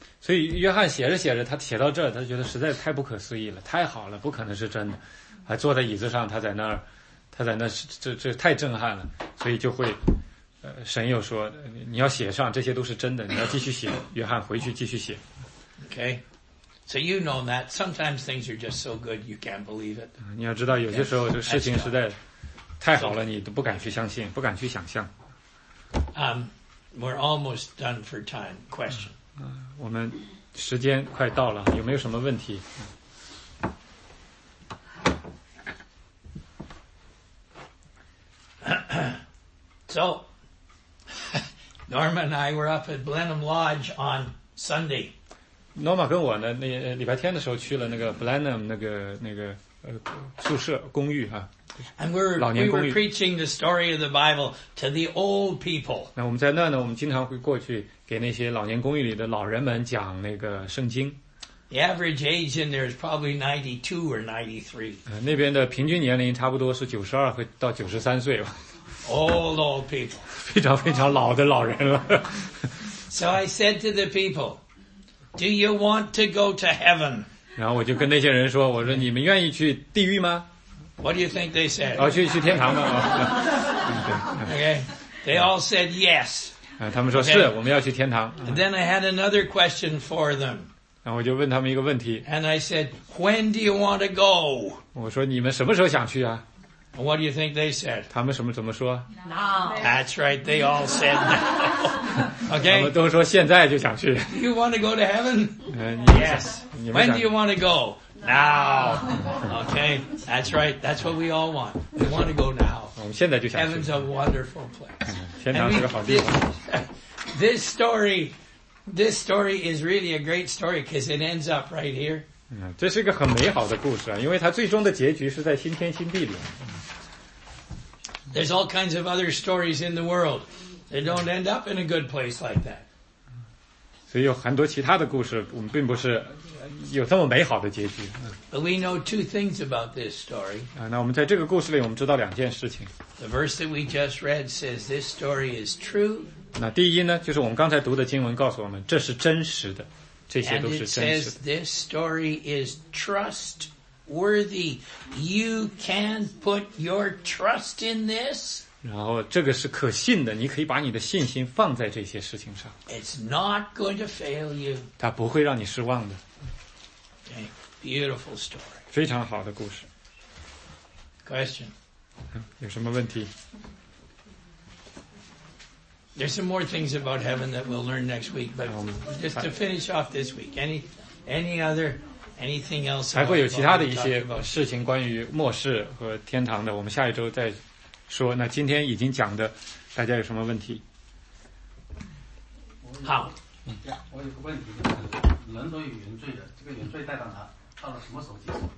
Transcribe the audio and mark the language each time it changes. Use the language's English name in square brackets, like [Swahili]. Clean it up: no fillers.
[Chinese] 所以约翰写着写着，他写到这儿，他觉得实在太不可思议了，太好了，不可能是真的。还坐在椅子上，他在那儿，这太震撼了，所以就会。神又说你要写上，这些都是真的，你要继续写。约翰回去继续写。 [English] Okay, so you know that sometimes things are just so good you can't believe it. [Chinese] 你要知道有些时候这事情实在太好了，你都不敢去相信，不敢去想象。 [English] We're almost done for time. Question. [Chinese] 我们时间快到了，有没有什么问题？ [English] So Norma and I were up at Blenheim Lodge on Sunday. [Chinese] Norma 跟我呢，那礼拜天的时候去了那个 Blenheim 那个宿舍公寓哈。 [English] And we were preaching the story of the Bible to the old people. [Chinese] 那我们在那呢，我们经常会过去给那些老年公寓里的老人们讲那个圣经。 [English] The average age in there is probably 92 or 93. [Chinese] 那边的平均年龄差不多是92和到93岁吧。 [English] Old, old people. [Chinese] 非常非常老的老人了。 [English] So I said to the people, "Do you want to go to heaven?" [Chinese] 然后我就跟那些人说，我说你们愿意去地狱吗？ [English] What do you think they said? [Chinese] 哦，去天堂吗？ [English] Okay, they all said yes. [Chinese] 他们说是，我们要去天堂。 [English] And then I had another question for them. [Chinese] 然后我就问他们一个问题。 [English] And I said, "When do you want to go?" [Chinese] 我说你们什么时候想去啊？ [English] What do you think they said? [Chinese] 他们什么怎么说？ [English] No. That's right. They all said no. Okay. [Chinese] 他们都说现在就想去。 [English] You want to go to heaven? Yes. When do you want to go? Now. Okay. That's right. That's what we all want. We want to go now. [Chinese] 我们现在就想去。 [English] Heaven's a wonderful place. [Chinese] 天堂是个好地方。 [English] This story is really a great story because it ends up right here. [Chinese] 这是一个很美好的故事啊，因为它最终的结局是在新天新地里。 [English] There's all kinds of other stories in the world. They don't end up in a good place like that. [Chinese] 所以有很多其他的故事，我们并不是有这么美好的结局。 [English] But we know two things about this story. [Chinese] 那我们在这个故事里，我们知道两件事情。 [English] The verse that we just read says this story is true. [Chinese] 那第一呢，就是我们刚才读的经文告诉我们，这是真实的，这些都是真实的。 [English] And it says this story is trustworthy. You can put your trust in this. [Chinese] 然后这个是可信的，你可以把你的信心放在这些事情上。 [English] It's not going to fail you. [Chinese] 它不会让你失望的。 [English] Okay, beautiful story. [Chinese] 非常好的故事。 [English] Question. [Chinese] 有什么问题？ [English] There's some more things about heaven that we'll learn next week, but just to finish off this week, anything else? [Chinese] 还会有其他的一些事情关于末世和天堂的，我们下一周再说。那今天已经讲的，大家有什么问题？好。我有个问题，就是人都有原罪的，这个原罪带到哪？到了什么时候结束？